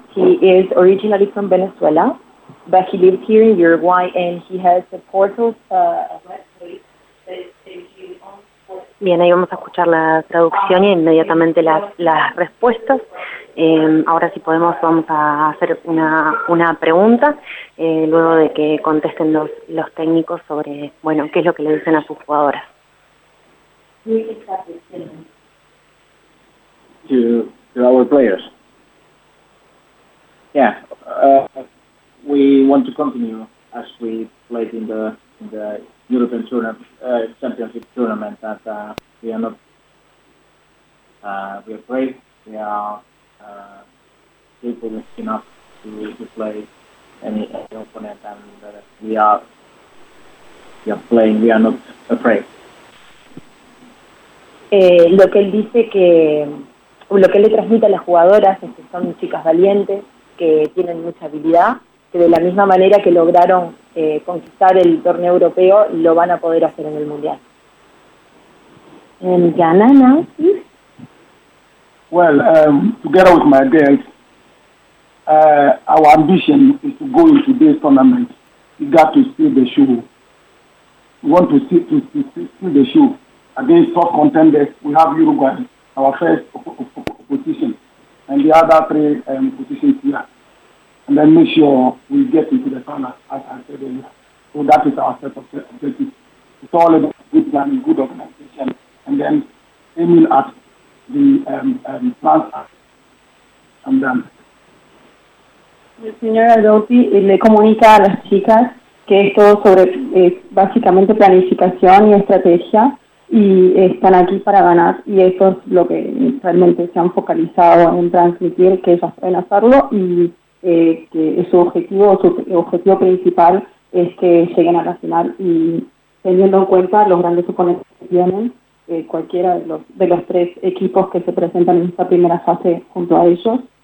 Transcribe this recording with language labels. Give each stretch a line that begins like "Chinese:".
English: He is originally from Venezuela, but he lived here in Uruguay and he has a portal
Spanish: Bien, ahí vamos a escuchar la traducción y inmediatamente las respuestas. Ahora si podemos, vamos a hacer una pregunta, luego de que contesten los técnicos sobre, bueno, qué es lo que le dicen a sus jugadoras.
English: To our players. Yeah, we want to continue as we played in the European Championship tournament that we are not, we are brave, we are capable enough to play any opponent, and we are playing, we are not afraid.
Spanish: lo que él dice que, o lo que él le transmite a las jugadoras es que son chicas valientes, que tienen mucha habilidad, que de la misma manera que lograron conquistar el torneo europeo, lo van a poder hacer en el Mundial.
English: And Ghana now, please. Well, together with my girls, our ambition is to go into this tournament. We got to steal the show. We want to steal the show against top contenders. We have Uruguay, our first position, and the other three positions here. And then make sure we get into the final, as I said earlier. So that is our set of objectives. It's all about good planning, good organization, and then aiming at the plans and then.
Spanish: El señor Aldotti le comunica a las chicas que es todo sobre básicamente planificación y estrategia y están aquí para ganar y eso es lo que realmente se han focalizado en transmitir, que ellas pueden hacerlo y que su objetivo principal es que lleguen a la final y teniendo en cuenta los grandes oponentes que tienen, cualquiera de los tres equipos que se presentan en esta primera fase junto a ellos.